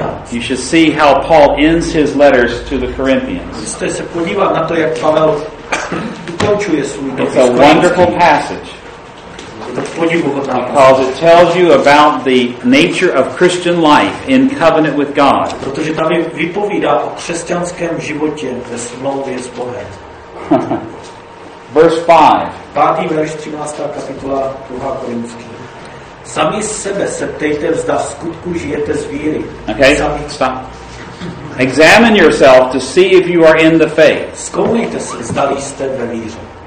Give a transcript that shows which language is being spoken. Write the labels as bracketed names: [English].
[English] You should see how Paul ends his letters to the Corinthians. It's a wonderful passage. Because it tells you about the nature of Christian life in covenant with God. [Czech] Protože tam vypovídá o křesťanském životě ve smlouvě s Bohem. [English] Verse 5. [Czech] 5. verš 13. kapitola 2. Korinský. Sami sebe se ptejte, zda v skutku žijete z víry. [English] Okay, [Czech] sami. [English] Stop. Examine yourself to see if you are in the faith. [Czech] Zkoumejte se, zda jste ve víře.